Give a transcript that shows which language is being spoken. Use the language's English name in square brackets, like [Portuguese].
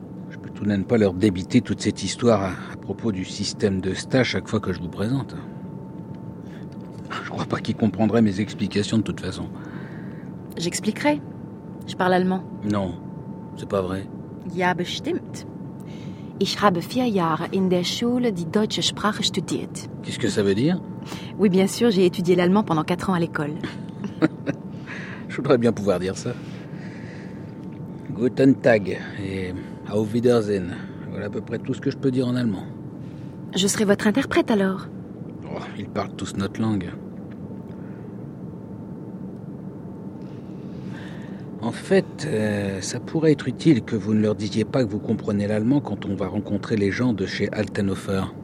[French] Je peux tout de même pas leur débiter toute cette histoire à propos du système de stage chaque fois que je vous présente. Je crois pas qu'ils comprendraient mes explications de toute façon. J'expliquerai. Je parle allemand. Non, c'est pas vrai. [German] Ja, bestimmt. Ich habe 4 Jahre in der Schule die deutsche Sprache studiert. [French] Qu'est-ce que ça veut dire? Oui, bien sûr, j'ai étudié l'allemand pendant 4 ans à l'école. Je voudrais bien pouvoir dire ça. [German] Guten Tag et Auf Wiedersehen. [French] Voilà à peu près tout ce que je peux dire en allemand. Je serai votre interprète alors. Oh, ils parlent tous notre langue. En fait, ça pourrait être utile que vous ne leur disiez pas que vous comprenez l'allemand quand on va rencontrer les gens de chez Altenhofer.